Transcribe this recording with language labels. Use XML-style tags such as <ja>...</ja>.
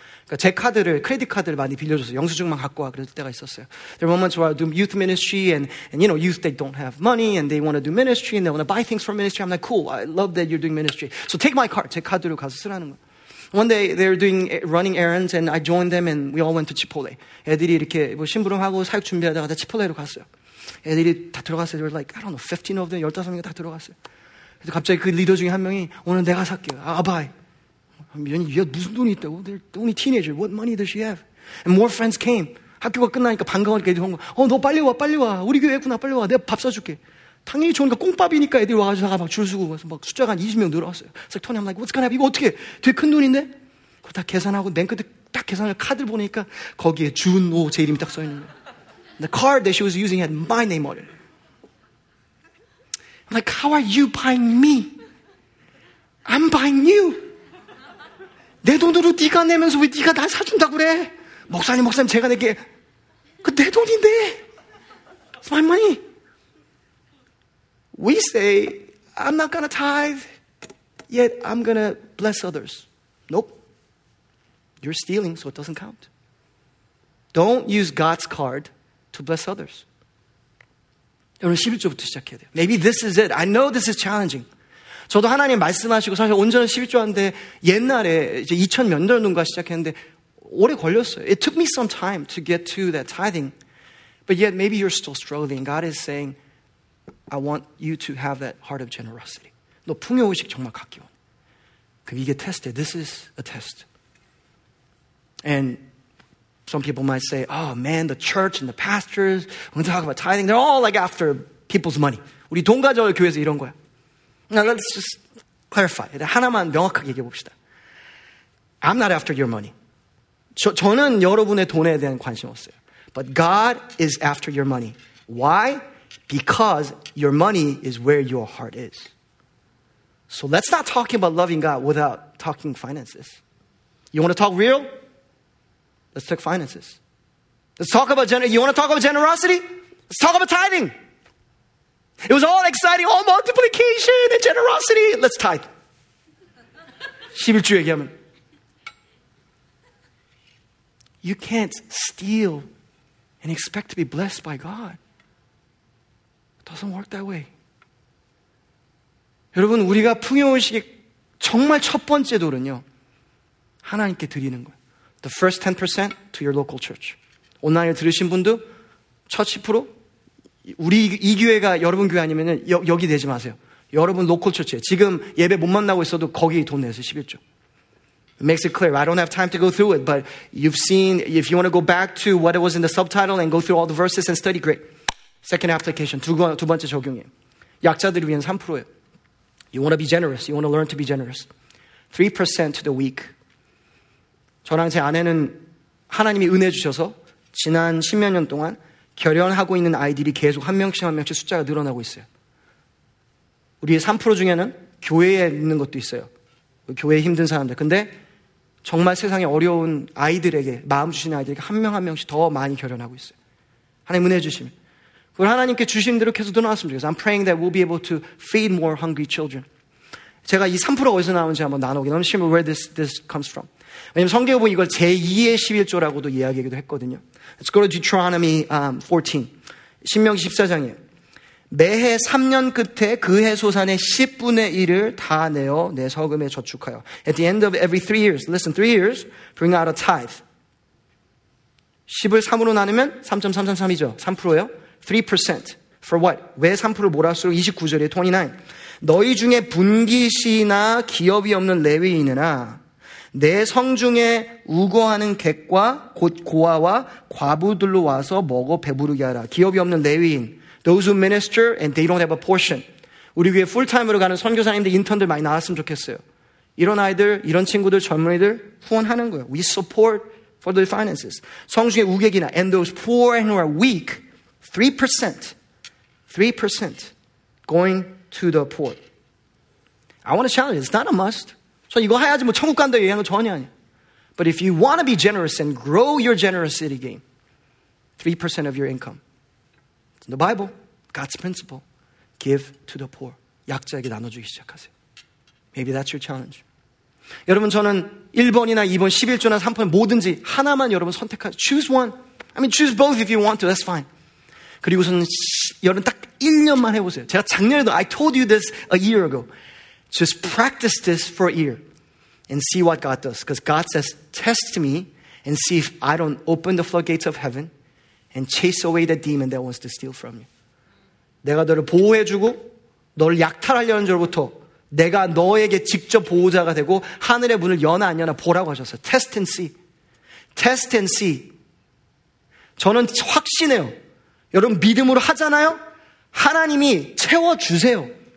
<ko>그러니까 제 카드를, 크레딧 카드를 많이 빌려줘서 영수증만 갖고 와, 그럴 때가 있었어요.</ko> <en>There are moments where I do youth ministry, and you know, youth, they don't have money, and they want to do ministry, and they want to buy things for ministry. I'm like, cool, I love that you're doing ministry. So take my card,</en> <ko>제 카드로 가서 쓰라는 거.</ko> <en>One day they're doing running errands and I joined them and we all went to Chipotle.</en> <ko>애들이 이렇게 뭐 심부름하고 사육 준비하다가 다 Chipotle로 갔어요. 애들이 다 들어갔어요.</ko> <en>They were like, I don't know, 15 of them,</en> <ko>15명이 다 들어갔어요. 그래서 갑자기 그 리더 중에 한 명이 오늘 내가 살게요.</ko> <en>I'll buy.</en> <ko>미연이, 야, 무슨 돈이 있다고?</ko> <en>They're only teenager. What money does she have? And more friends came.</en> <ko>학교가 끝나니까 반가워하니까 애들이 온 거. 너 빨리 와, 빨리 와. 우리 교회구나, 빨리 와. 내가 밥 사줄게. 당연히 좋으니까 꽁밥이니까 애들이 와가지고 막 줄 서고 와서 막 숫자가 한 20명 늘어났어요.</ko> <en>It's like, Tony, I'm like, what's gonna happen?</en> <ko>이거 어떻게 해? 되게 큰 돈인데? 그거 다 계산하고 맨 끝에 딱 계산을 카드를 보니까 거기에 준호 제 이름이 딱 써있는 거예요.</ko> <en>The card that she was using had my name on it. I'm like, how are you buying me? I knew.</en> <ko>내 돈으로 네가 내면서 왜 네가 날 사준다고 그래? 목사님, 목사님, 제가 내게 그 내 돈인데.</ko> <en>It's my money. We say, I'm not gonna tithe, yet I'm gonna bless others. Nope. You're stealing, so it doesn't count. Don't use God's card to bless others.</en> <ko>여러분, 11조부터 시작해야 돼요.</ko> <en>Maybe this is it. I know this is challenging.</en> <ko>저도 하나님 말씀하시고 사실 온전한 11조 하는데 옛날에 이제 2000년도인가 시작했는데 오래 걸렸어요.</ko> <en>It took me some time to get to that tithing. But yet maybe you're still struggling. God is saying, I want you to have that heart of generosity.</en> <ko>너 풍요의식 정말 갖기 원해. 그럼 이게 테스트야.</ko> <en>This is a test. And some people might say, oh man, the church and the pastors, when they talk about tithing, they're all like after people's money.</en> <ko>우리 돈 가져올 교회에서 이런 거야.</ko> <en>Now let's just clarify.</en> <ko>하나만 명확하게 얘기해 봅시다.</ko> <en>I'm not after your money.</en> <ko>저는 여러분의 돈에 대한 관심 없어요.</ko> <en>But God is after your money. Why? Because your money is where your heart is. So let's not talk about loving God without talking finances. You want to talk real? Let's talk finances. Let's talk about you want to talk about generosity? Let's talk about tithing. It was all exciting, all multiplication and generosity. Let's tithe.</en> <ko>11주 얘기하면.</ko> <en>You can't steal and expect to be blessed by God. It doesn't work that way.</en> <ko>여러분, 우리가 풍요의식의 정말 첫 번째 돌은요, 하나님께 드리는 거예요.</ko> <en>The first 10% to your local church.</en> <ko>온라인을 들으신 분도 첫 10%, 우리 이 교회가 여러분 교회 아니면 여기 내지 마세요. 여러분 로컬 처치에 지금 예배 못 만나고 있어도 거기 돈 내세요.</ko> <en>11조. It makes it clear. I don't have time to go through it, but you've seen, if you want to go back to what it was in the subtitle and go through all the verses and study, great. Second application.</en> <ko>두 번째 적용이에요. 약자들을 위한 3%예요.</ko> <en>You want to be generous. You want to learn to be generous. 3% to the weak.</en> <ko>저랑 제 아내는 하나님이 은혜 주셔서 지난 십몇 년 동안 결연하고 있는 아이들이 계속 한 명씩 한 명씩 숫자가 늘어나고 있어요. 우리의 3% 중에는 교회에 있는 것도 있어요. 교회에 힘든 사람들. 근데 정말 세상에 어려운 아이들에게, 마음 주시는 아이들에게 한 명 한 명씩 더 많이 결연하고 있어요. 하나님 은혜 주시면. 그걸 하나님께 주신 대로 계속 늘어났으면 좋겠어요.</ko> <en>I'm praying that we'll be able to feed more hungry children.</en> <ko>제가 이 3%가 어디서 나오는지 한번 나누기.</ko> <en>I'm sure where this comes from.</en> <ko>왜냐면 성경은 이걸 제2의 11조라고도 이야기하기도 했거든요.</ko> <en>Let's go to Deuteronomy 14.</en> <ko>신명기 14장이에요. 매해 3년 끝에 그해 소산의 10분의 1을 다 내어 내 서금에 저축하여.</ko> <en>At the end of every 3 years, listen, 3 years, bring out a tithe.</en> <ko>10을 3으로 나누면 3.333이죠. 3%예요. 3%.</ko> <en>For what?</en> <ko>왜 3%를 몰아쓰고 29절에 29. 너희 중에 분깃이나 기업이 없는 레위인이나 내 성 중에 우거하는 객과 곧 고아와 과부들로 와서 먹어 배부르게 하라. 기업이 없는 레위인.</ko> <en>Those who minister and they don't have a portion.</en> <ko>우리 교회 풀타임으로 가는 선교사님들, 인턴들 많이 나왔으면 좋겠어요. 이런 아이들, 이런 친구들, 젊은이들 후원하는 거예요.</ko> <en>We support for the finances.</en> <ko>성 중에 우객이나</ko> <en>and those poor and who are weak, 3%, 3% going to the poor. I want to challenge you. It's not a must.</en> <ko>저 이거 해야지 뭐 천국 간다 얘기하는 거 전혀 아니에요.</ko> <en>But if you want to be generous and grow your generosity game, 3% of your income. It's in the Bible, God's principle. Give to the poor.</en> <ko>약자에게 나눠주기 시작하세요.</ko> <en>Maybe that's your challenge.</en> <ko>여러분 저는 1번이나 2번, 11조나 3번 뭐든지 하나만 여러분 선택하세요.</ko> <en>Choose one. I mean, choose both if you want to. That's fine.</en> <ko>그리고서는 여러분 딱 1년만 해보세요. 제가 작년에도</ko> <en>I told you this a year ago. Just practice this for a year and see what God does. Because God says, test me and see if I don't open the floodgates of heaven and chase away the demon that wants to steal from you.</en> <ko>내가 너를 보호해주고 너를 약탈하려는 저로부터 내가 너에게 직접 보호자가 되고 하늘의 문을 여나 안 여나 보라고 하셨어요.</ko> <en>Test and see. Test and see.</en> <ko>저는 확신해요. 여러분 믿음으로 하잖아요? 하나님이 채워주세요.</ko>